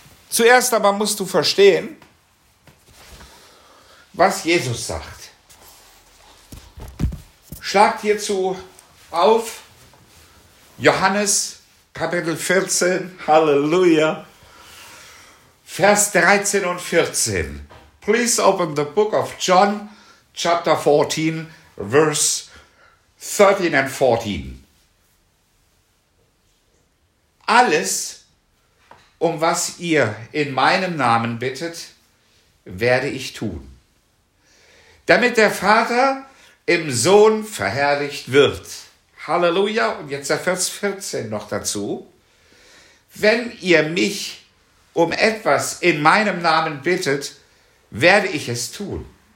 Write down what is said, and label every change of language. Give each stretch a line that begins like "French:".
German: Zuerst aber musst du verstehen, was Jesus sagt. Schlag hierzu auf Johannes Kapitel 14, Halleluja, Vers 13 und 14.
English: Please open the book of John, chapter 14, verse 13 and 14.
German: Alles, um was ihr in meinem Namen bittet, werde ich tun, damit der Vater im Sohn verherrlicht wird. Halleluja. Und jetzt der Vers 14 noch dazu. Wenn ihr mich um etwas in meinem Namen bittet, werde ich es tun.